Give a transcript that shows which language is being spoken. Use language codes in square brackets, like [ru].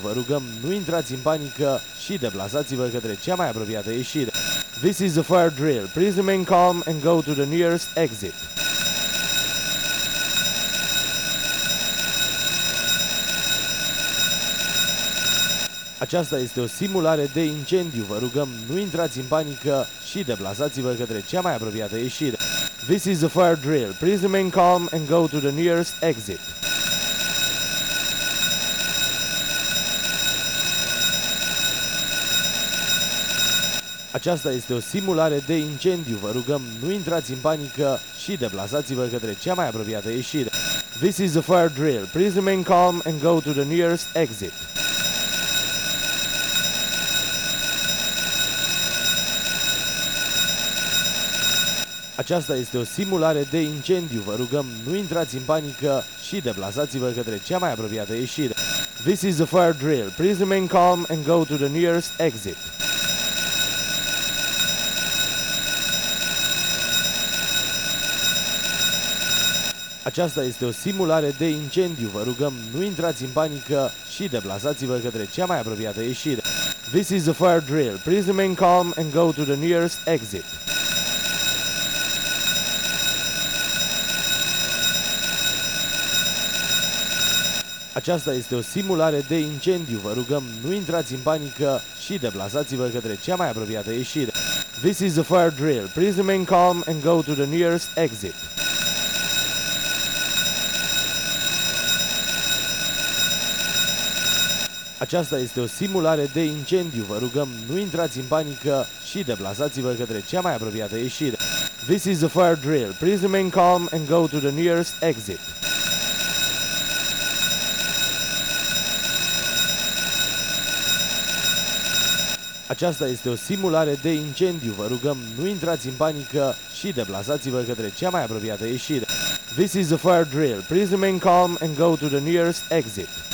[ro] Vă rugăm, nu intrați în panică și deplasați-vă către cea mai apropiată ieșire. [en] This is a fire drill. Please remain calm and go to the nearest exit. [ro] Aceasta este o simulare de incendiu. Vă rugăm, nu intrați în panică și deplasați-vă către cea mai apropiată ieșire. [en] This is a fire drill. Please remain calm and go to the nearest exit. [ro] Aceasta este o simulare de incendiu. Vă rugăm, nu intrați în panică și deplasați-vă către cea mai apropiată ieșire. [en] This is a fire drill. Please remain calm and go to the nearest exit. [ro] Aceasta este o simulare de incendiu. Vă rugăm, nu intrați în panică și deplasați-vă către cea mai apropiată ieșire. [en] This is a fire drill. Please remain calm and go to the nearest exit. [ro] Aceasta este o simulare de incendiu. Vă rugăm, nu intrați în panică și deplasați-vă către cea mai apropiată ieșire. [en] This is a fire drill. Please remain calm and go to the nearest exit. [ro] Aceasta este o simulare de incendiu. Vă rugăm, nu intrați în panică și deplasați-vă către cea mai apropiată ieșire. [en] This is a fire drill. Please remain calm and go to the nearest exit. [ro] Aceasta este o simulare de incendiu. Vă rugăm, nu intrați în panică și deplasați-vă către cea mai apropiată ieșire. [en] This is a fire drill. Please remain calm and go to the nearest exit. [ro] Aceasta este o simulare de incendiu. Vă rugăm, nu intrați în panică și deplasați-vă către cea mai apropiată ieșire. [en] This is a fire drill. Please remain calm and go to the nearest exit.